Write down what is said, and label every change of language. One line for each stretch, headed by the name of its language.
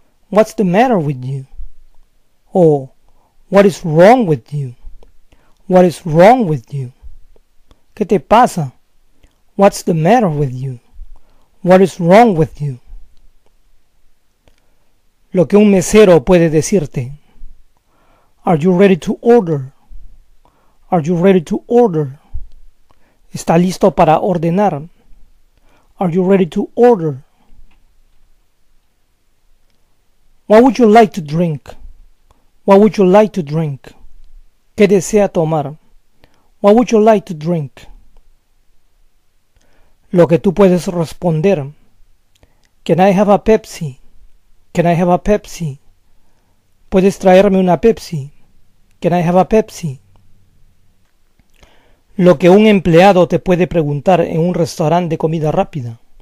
English: What's the matter with you? O, what is wrong with you? What is wrong with you?
Spanish: ¿Qué te pasa?
English: What's the matter with you? What is wrong with you?
Spanish: Lo que un mesero puede decirte.
English: Are you ready to order? Are you ready to order?
Spanish: ¿Está listo para ordenar?
English: Are you ready to order? What would you like to drink? What would you like to drink?
Spanish: ¿Qué desea tomar?
English: What would you like to drink?
Spanish: Lo que tú puedes responder.
English: Can I have a Pepsi? Can I have a Pepsi?
Spanish: ¿Puedes traerme una Pepsi?
English: Can I have a Pepsi?
Spanish: Lo que un empleado te puede preguntar en un restaurante de comida rápida.